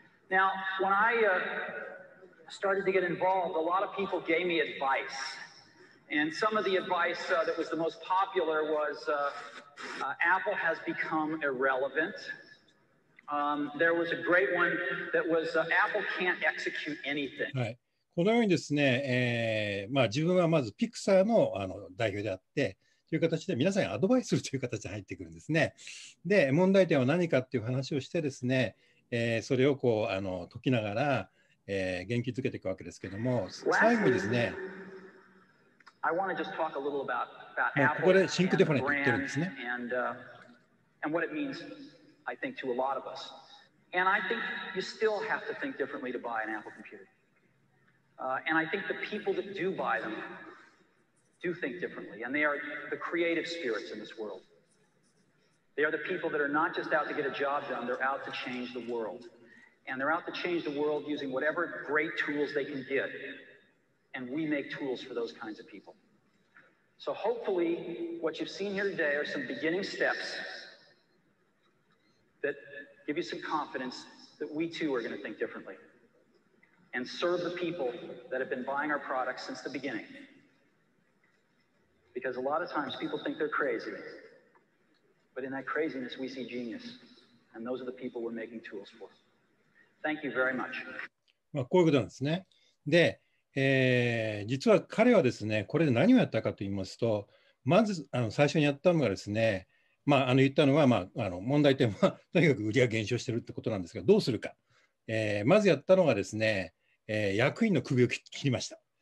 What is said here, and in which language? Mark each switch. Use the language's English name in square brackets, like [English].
[English] Now, when I started to get involved, a lot of people gave me advice, and some of the advice that was the most popular was Apple has become irrelevant. There was a great one that was Apple can't execute anything. Right. [Japanese] このようにですね、まあ、自分はまずピクサー の, 代表であってという形で、皆さんにアドバイスするという形で入ってくるんですね。で、問題点は何かという話をしてですね、それをこう解きながら、元気づけていくわけですけども、最後にですね、まあ、ここでシンクデファレント言ってるんですね。 [English] And what it means, I think, to a lot of us. And I think you still have to think differently to buy an Apple computer. And I think the people that do buy them do think differently, and they are the creative spirits in this world. They are the people that are not just out to get a job done, they're out to change the world. And they're out to change the world using whatever great tools they can get, and we make tools for those kinds of people. So hopefully what you've seen here today are some beginning steps that give you some confidence that we too are going to think differently. And serve the people that have been buying our products since the beginning. Because a lot of times people think they're crazy. But in that craziness, we see genius. And those are the people we're making tools for. Thank you very much. [Japanese] まあ、こういうことなんですね。で、実は彼はですね、これで何をやったかと言いますと、まず最初にやったのがですね、まあ、言ったのは、まあ、問題点はとにかく売り上げ減少してるってことなんですが、どうするか、まずやったのがですね、役員の首を切りました。